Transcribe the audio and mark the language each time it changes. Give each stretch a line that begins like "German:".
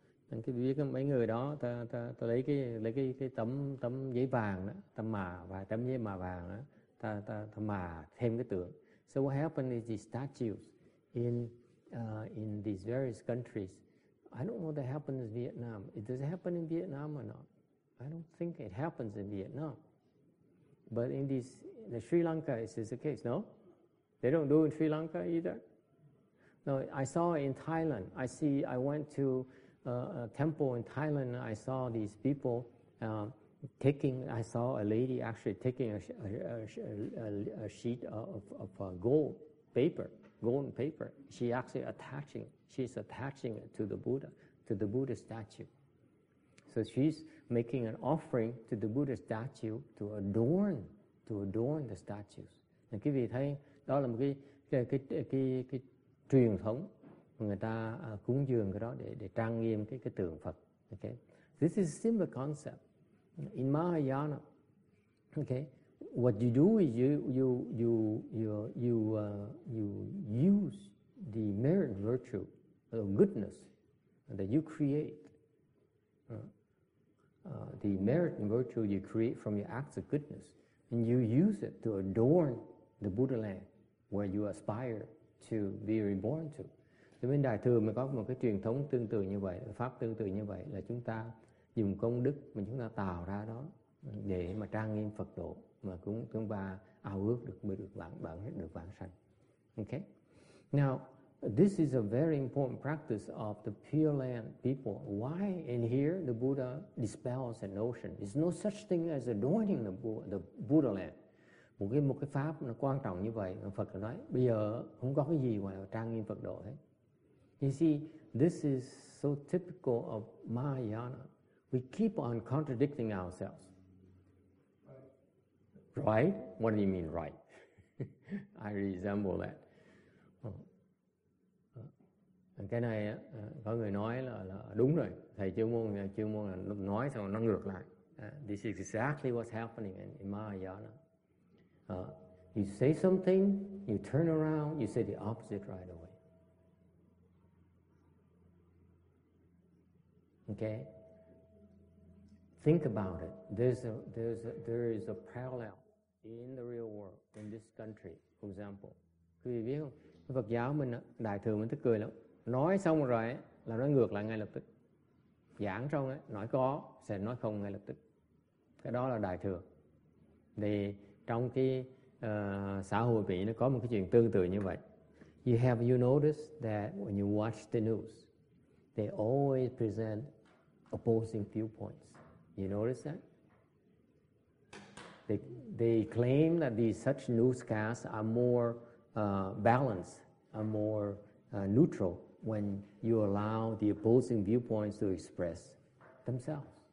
Vietnamese: Anh cứ biết mấy người đó, ta lấy cái tấm giấy vàng đó, tấm mà và tấm giấy mà vàng đó, ta mà thêm cái tượng.
English: So what happened is these statues in these various countries. I don't know what happened in Vietnam. Does it happen in Vietnam or not? I don't think it happens in Vietnam. But in Sri Lanka, this is the case, no? They don't do it in Sri Lanka either? No, I saw in Thailand. I went to a temple in Thailand. I saw these people I saw a lady actually taking a sheet of gold paper, golden paper. She's attaching it to the Buddha statue. So she's making an offering to the Buddha statue to adorn the statues.
Vietnamese: Các quý vị thấy đó là một cái truyền thống mà người ta cúng dường cái đó để trang nghiêm cái tượng Phật.
English: Okay, this is a similar concept in Mahayana. Okay, what you do is you use the merit virtue, the goodness that you create, the merit and virtue you create from your acts of goodness, and you use it to adorn the Buddha land where you aspire to be reborn to.
Vietnamese: Thì bên Đại Thừa mình có một cái truyền thống tương tự như vậy, pháp tương tự như vậy, là chúng ta dùng công đức mà chúng ta tạo ra đó để mà trang nghiêm Phật độ, mà cũng chúng ta ao ước được mới được vãng sanh.
English: Okay, now this is a very important practice of the Pure Land people. Why? And here the Buddha dispels a notion. There's no such thing as adorning the Buddha land.
Vietnamese: Một cái pháp nó quan trọng như vậy, Phật nói bây giờ không có cái gì ngoài trang nghiêm Phật độ hết.
English: You see, this is so typical of Mahayana. We keep on contradicting ourselves. Right? What do you mean, right? I resemble that.
Vietnamese: Cái này có người nói là đúng rồi, thầy chuyên môn là nói xong nó ngược lại.
English: This is exactly what's happening in Mahayana. You say something, you turn around, you say the opposite right away. Okay? Think about it. There is a parallel in the real world, in this country, for example.
Vietnamese: Quý vị biết không? Phật giáo mình, Đại Thừa mình thích cười lắm. Nói xong rồi là nó ngược lại ngay lập tức. Giảng xong ấy, nói có sẽ nói không ngay lập tức. Cái đó là Đại Thừa. Thì trong cái xã hội Mỹ nó có một cái chuyện tương tự như vậy.
English: You notice that when you watch the news, they always present opposing viewpoints. You notice that? They claim that these such newscasts are more balanced, are more neutral when you allow the opposing viewpoints to express themselves.